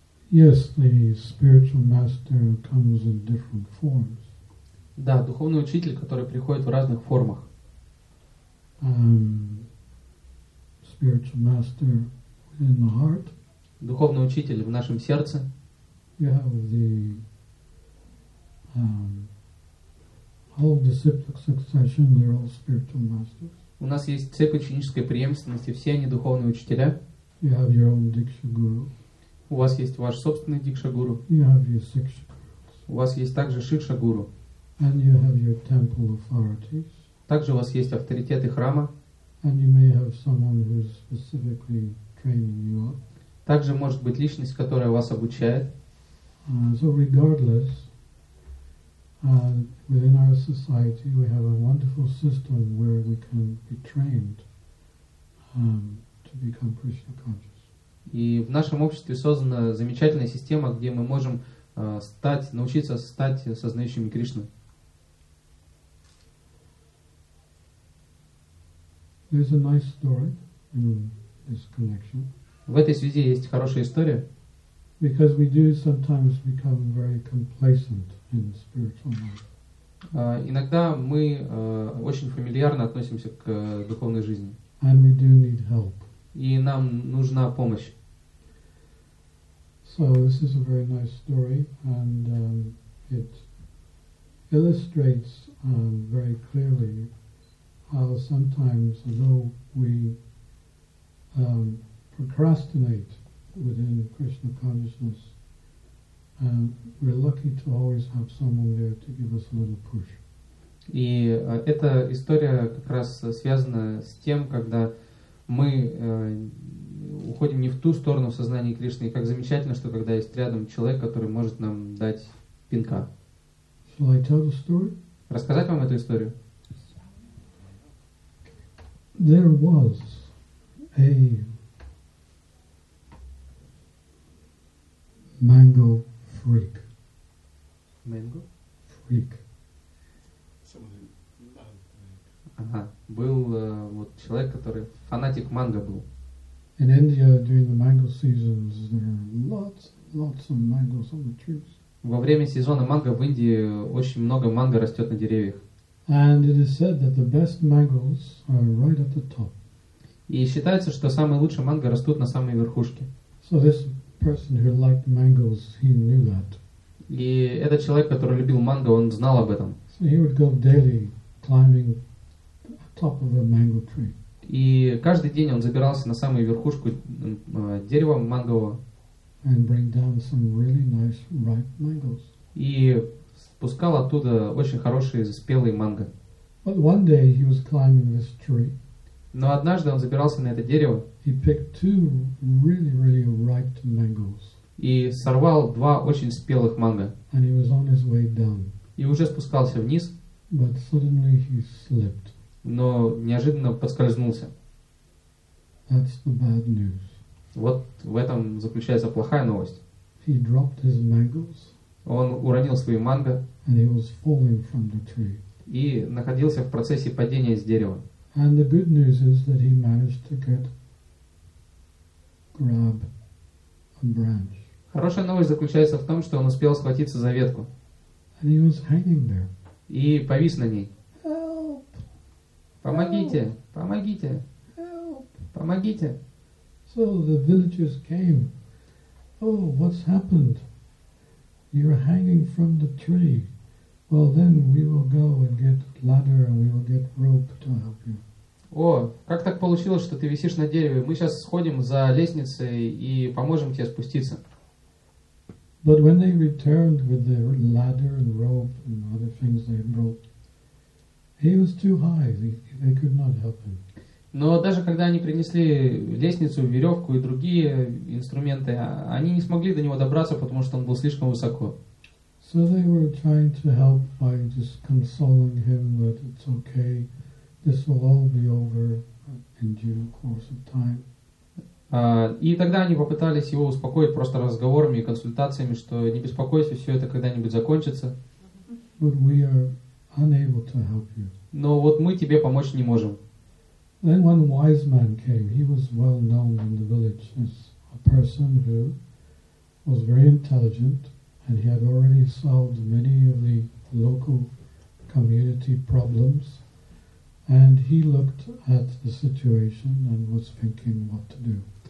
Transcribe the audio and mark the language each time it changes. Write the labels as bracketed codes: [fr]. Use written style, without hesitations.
[en] Yes, the spiritual master comes in different forms. [ru] Да, духовный учитель, который приходит в разных формах. [en] Spiritual master within the heart. [ru] Духовный учитель в нашем сердце. [en] You have the whole disciplic succession, they're all spiritual masters. [ru] У нас есть цепь ученической преемственности, все они духовные учителя. [en] You have your own Diksha Guru. [ru] У вас есть ваш собственный Diksha Guru. [en] You have your Siksha Gurus. [ru] У вас есть также Shiksha Guru. [en] And you have your temple authorities. [ru] Также у вас есть авторитеты храма. [en] And you may have someone who is specifically training you up. [ru] Также может быть личность, которая вас обучает. [en] So regardless, within our society we have a wonderful system where we can be trained to become Krishna conscious. [ru] И в нашем обществе создана замечательная система, где мы можем научиться стать сознающими Кришну. [en] There's a nice story in this connection. [ru] В этой связи есть хорошая история. [en] Because we do sometimes become very complacent in spiritual life. [ru] Иногда мы очень фамильярно относимся к духовной жизни. [en] And we do need help. [ru] И нам нужна помощь. [en] So this is a very nice story, and it illustrates very clearly how sometimes, although we procrastinate within Krishna consciousness, we're lucky to always have someone there to give us a little push. [ru] И эта история как раз связана с тем, когда мы уходим не в ту сторону в сознании Кришны, и как замечательно, что когда есть рядом человек, который может нам дать пинка. [en] Shall I tell the story? [ru] Рассказать вам эту историю? [en] There was a mango freak. Mango? Freak. Someone who loved mango. Ага. [ru] Был человек, который фанатик манго был. [en] In India, during the mango seasons, there are lots of mangoes on the trees. [ru] Во время сезона манго в Индии очень много манго растет на деревьях. [en] And it is said that the best mangoes are right at the top. [ru] И считается, что самые лучшие манго растут на самой верхушке. [en] So this person who liked mangoes, he knew that. [ru] И этот человек, который любил манго, он знал об этом. [en] So he would go daily climbing the top of a mango tree. [ru] И каждый день он забирался на самую верхушку дерева мангового. [en] And bring down some really nice ripe mangoes. [ru] И пускал оттуда очень хорошие спелые манго. [en] But one day he was climbing this tree. [ru] Но однажды он забирался на это дерево. [en] He picked two really, really ripe mangoes. [ru] И сорвал два очень спелых манго. [en] And he was on his way down. [ru] И уже спускался вниз. [en] But suddenly he slipped. [ru] Но неожиданно поскользнулся. [en] That's the bad news. [ru] Вот в этом заключается плохая новость. [en] He dropped his mangoes. [ru] Он уронил свои манго. [en] And he was falling from the tree. [ru] И находился в процессе падения с дерева. [en] And the good news is that he managed to grab a branch. [ru] Хорошая новость заключается в том, что он успел схватиться за ветку. [en] And he was hanging there. [ru] И повис на ней. [en] Help! [ru] Помогите! [en] Help! [ru] Помогите! [en] Help! [ru] Помогите! [en] So the villagers came. Oh, what's happened? You're hanging from the tree. Well, then we will go and get ladder and we will get rope to help you. [ru] О, как так получилось, что ты висишь на дереве? Мы сейчас сходим за лестницей и поможем тебе спуститься. [en] But when they returned with the ladder and rope and other things they brought, he was too high. They could not help him. [ru] Но даже когда они принесли лестницу, веревку и другие инструменты, они не смогли до него добраться, потому что он был слишком высоко. [en] So they were trying to help by just consoling him that it's okay, this will all be over in due course of time. [ru] И тогда они попытались его успокоить просто разговорами и консультациями, что не беспокойся, все это когда-нибудь закончится. [en] But we are unable to help you. [ru] Но вот мы тебе помочь не можем. [en] Then one wise man came. He was well known in the village as a person who was very intelligent, and he had already solved many of the local community problems, and he looked at the situation and was thinking what to do.